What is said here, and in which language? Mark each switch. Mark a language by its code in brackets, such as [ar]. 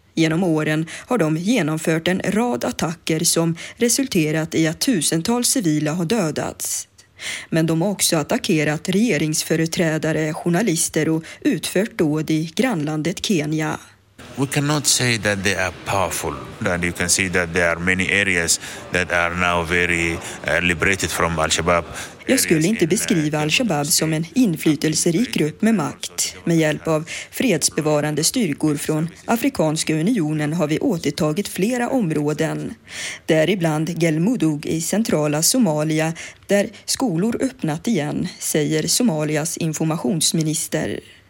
[sv] Genom åren har de genomfört en rad attacker som resulterat i att tusentals civila har dödats. Men de har också attackerat regeringsföreträdare, journalister och utfört dåd i grannlandet Kenya. [en] We cannot say that they are powerful. And you can see that there are many areas that are now very liberated from Al-Shabaab. [sv] Jag skulle inte beskriva Al-Shabaab som en inflytelserik grupp med makt. Med hjälp av fredsbevarande styrkor från Afrikanska unionen har vi återtagit flera områden. Däribland Galmudug i centrala Somalia, där skolor öppnat igen, säger Somalias informationsminister.